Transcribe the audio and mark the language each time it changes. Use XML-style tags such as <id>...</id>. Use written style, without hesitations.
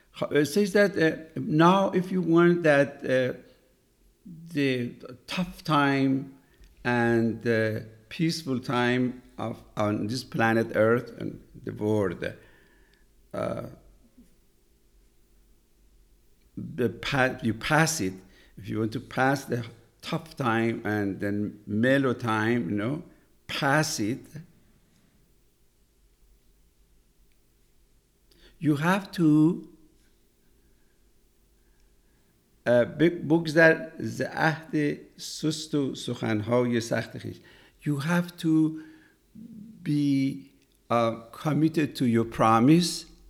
<en>It says that now, if you want that the tough time and the peaceful time of on this planet Earth and the world, the path you pass it, if you want to pass the tough time and then mellow time, you know, pass it, you have to</en> <fa>بگذر ز عهد سست و سخنهای سخت خیش.</fa> <en>You have to be committed to your promise.</en>